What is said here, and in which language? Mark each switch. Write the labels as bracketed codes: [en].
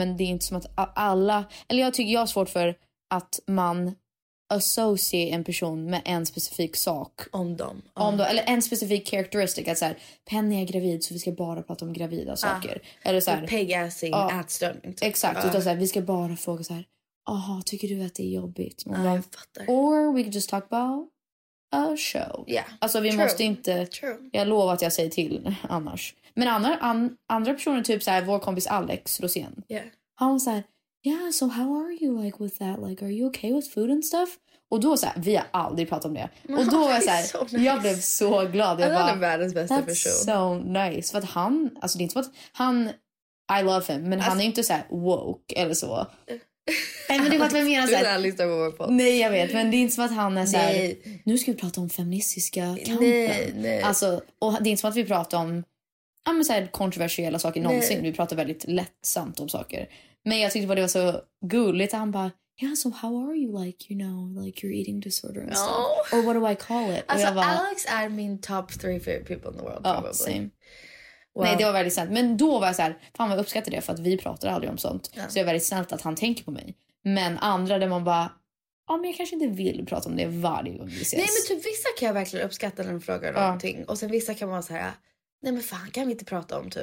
[sv] Men det är inte som att alla, eller jag tycker jag har svårt för att man associate en person med en specifik sak om dem. Om dem eller en specifik characteristic att så här, Penny är gravid så vi ska bara prata om gravida saker eller så här, pegassing ätstörning. Exakt. Utan så här, vi ska bara fråga så här, aha, tycker du att det är jobbigt? Bara, jag fattar. [en] Or we could just talk about a show. Yeah. [sv] Alltså vi [en] true. [sv] Måste inte [en] true. [sv] Jag lovar att jag säger till annars. Men andra personer typ så här, vår kompis Alex Rosén. [en] Yeah. [sv] Han var så här, [en] yeah, so how are you like with that? Like, are you okay with food and stuff? [sv] Och då så här, vi har aldrig pratat om det. Och då var jag så här, [en] so nice. [sv] Jag blev så glad. Jag bara, världens bästa person. [en] That's so nice. [sv] För att han, alltså det är inte så att han, [en] I love him, [sv] men alltså, han är inte så här woke eller så. Men det är bara att vi menar så här. Du har lyssnat på vår podd. Nej, jag vet, men det är inte så att han är så här, nu ska vi prata om feministiska kampen. Nej, nej. Alltså, och det är inte så att vi pratar om, ja men så här, kontroversiella saker någonsin. Nej. Vi pratar väldigt lättsamt om saker. Men jag tyckte bara det var så gulligt. Han bara, [en] yeah, so how are you like, you know, like your eating disorder and stuff? Or what do I call it? [sv] Alltså jag bara, Alex är min [en] top 3 favorite people in the world probably. [sv] Ja, [en] same. Well. [sv] Nej, det var väldigt snällt. Men då var jag så här, fan vad jag uppskattar det för att vi pratar aldrig om sånt. Ja. Så jag är väldigt snällt att han tänker på mig. Men andra där man bara, ja men jag kanske inte vill prata om det varje gång vi ses. Nej men typ vissa kan jag verkligen uppskatta när de frågar någonting. Och sen vissa kan man så här, nej men fan, kan vi inte prata om typ